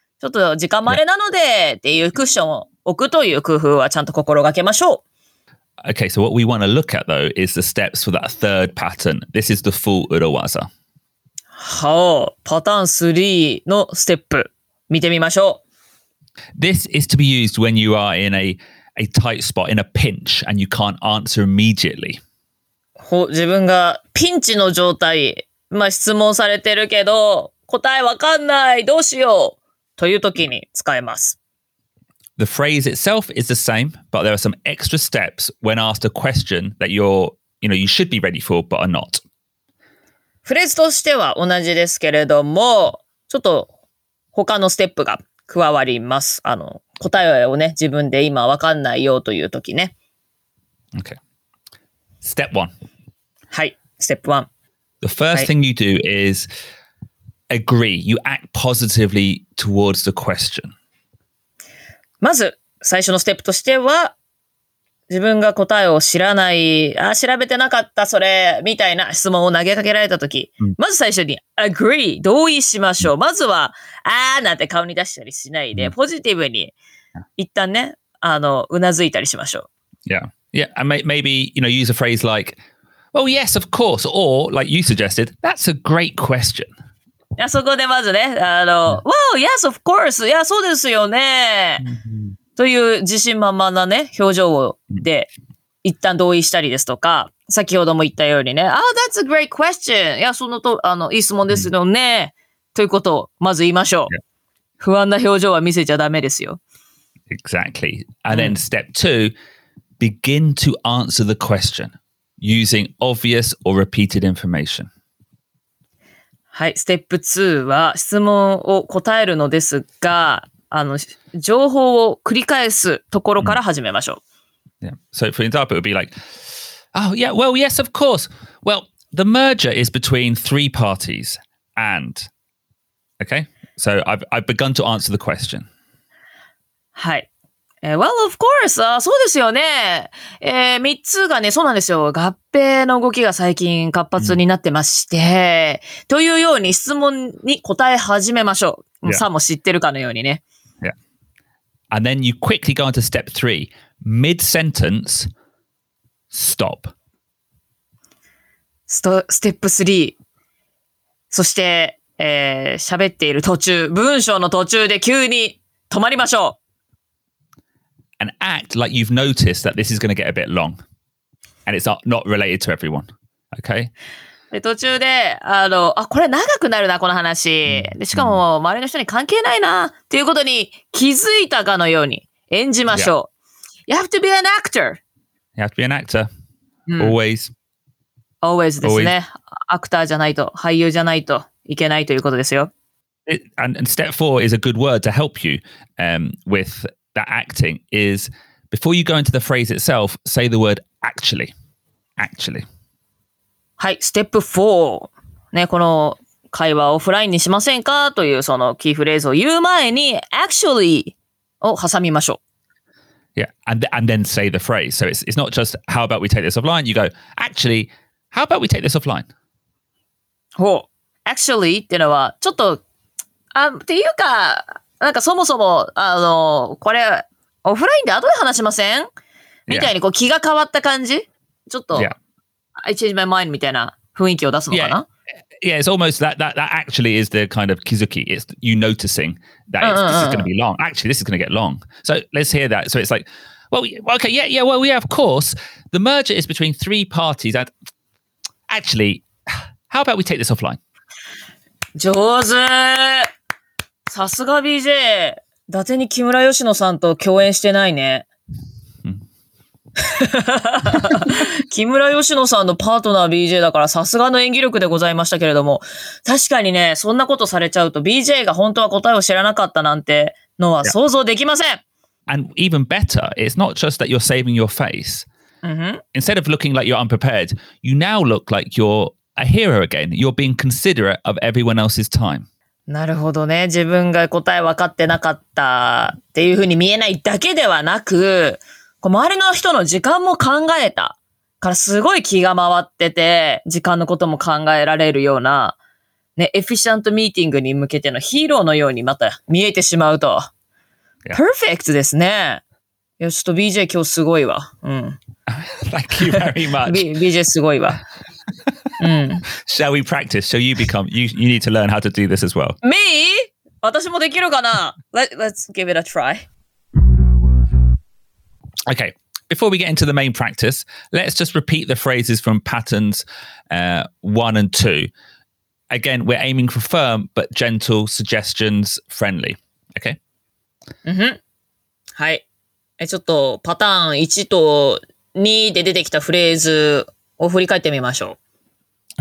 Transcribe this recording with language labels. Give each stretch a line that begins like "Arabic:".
Japanese: ちょっと時間もあれなので、っていうクッションを置くという工夫はちゃんと心がけましょう。
English: Okay, so what we want to look at though is the steps for that third pattern. This is the full 裏技。
Japanese: はお、パターン3のステップ見てみましょう。
English: This is to be used when you are in a tight spot, in a pinch, and you can't answer immediately.
Japanese: ほ、自分がピンチの状態、まあ質問されてるけど答えわかんない、どうしようという時に使えます。
English: The phrase itself is the same, but there are some extra steps when asked a question that you're, you know, you should be ready for, but are not.
Japanese: フレーズとしては同じですけれども、ちょっと他のステップが加わります。あの、答えをね、自分で今分かんないよという時ね。
English: Okay. Step one. はい、step one. The first、はい、thing you do is agree. You act positively towards the question.
Japanese: まず最初のステップとしては、自分が答えを知らない、あ、調べてなかったそれみたいな質問を投げかけられたとき、まず最初に agree 同意しましょう。まずはあーなんて顔に出したりしないで、ポジティブに一旦ね、あの、うなずいたりしましょう。
English: Yeah, yeah, and maybe you know use a phrase like, well, yes, of course, or like you suggested, that's a great question.
Japanese: そこでまずね、あの、
English: yeah. Wow, yes, of course.
Japanese: いや、そうですよね。という自信満々なね、表情で一旦同意したりですとか、先ほども言ったようにね、
English: Oh, that's a great question.
Japanese: いや、そのと、あの、いい質問ですよね。ということをまず言いましょう。不安な表情は見せちゃダメですよ。
English: Exactly. And then step two, begin to answer the question using obvious or repeated information.
Japanese: はい、ステップ2は質問を答えるのですが、情報を繰り返すところから始めましょう。
English: Yeah. So for example, it would be like, oh yeah, well, yes, of course. Well, the merger is between three parties and, okay? So I've begun to answer the question.
Japanese: はい。
English: Well, of course.
Japanese: あ、そうですよね。 3つがね、そうなんですよ。合併の動きが最近活発になってまして、というように質問に答え始めましょう。
English: Yeah.
Japanese: さも知ってるかのようにね。
English: And then you quickly go into step three. Mid-sentence, stop. Step three. そして、喋っている途中、文章の途中で急に止まりましょう。 And act like you've noticed that this is going to get a bit long. And it's not related to everyone. Okay?
Japanese: で途中で、これ長くなるな、この話。でしかも、周りの人に関係ないな、っていうことに気づいたかのように演じましょう。
English: Yeah. You have to be an actor. You have to be an actor. Always.
Japanese: Always ですね。アクターじゃないと、俳優じゃないといけないということですよ。
English: And step four is a good word to help you, with that acting is, before you go into the phrase itself, say the word actually. Actually.
Japanese: はい、ステップ4。ね、この会話オフラインにしませんかというそのキーフレーズを言う前に、actually を挟みましょう。
English: Yeah, and then say the phrase. So it's not just, how about we take this offline? You go, actually, how about we take this offline?
Japanese: ほう、actually っていうのは、ちょっと、っていうか、なんかそもそも、これ、オフラインで後で話しませんみたいにこう気が変わった感じ、
English: yeah.
Japanese: ちょっと。
English: Yeah. I changed my mind
Japanese: みたいな雰囲気を出すのかな
English: yeah, it's almost that actually is the kind of kizuki. It's you noticing that this is going to be long. Actually, this is going to get long. So let's hear that. So it's like, well, okay, yeah, of course. The merger is between three parties. And actually, how about we take this offline?
Japanese: 上手さすが BJ! 伊達に木村佳乃さんと共演してないね。木村佳乃さんのパートナー BJ だからさすがの演技力でございましたけれども確かにねそんなことされちゃうと BJ が本当は答えを知らなかったなんてのは想像できません、
English: yeah. And even better, it's not just that you're saving your face、 mm-hmm. Instead of looking like you're unprepared you now look like you're a hero again You're being considerate of everyone else's time
Japanese: なるほどね自分が答え分かってなかったっていうふうに見えないだけではなく周りの人の時間も考えたからすごい気が回ってて時間のことも考えられるようなねエフィシャントミーティングに向けてのヒーローのようにまた見えてしまうと、yeah. パーフェクトですねいやちょっと BJ 今日すごいわうん
English: Thank you very much
Japanese: BJ すごいわうん
English: Shall we practice? Shall you become? You need to learn how to do this as well Me?
Japanese: 私もできるかな
English: Let's give it a try Okay, before we get into the main practice, let's just repeat the phrases from patterns one and two. Again, we're aiming for firm but gentle suggestions, friendly. Okay?
Japanese: Mm-hmm. はい。ちょっとパターン1と2で出てきたフレーズを振り返ってみましょう。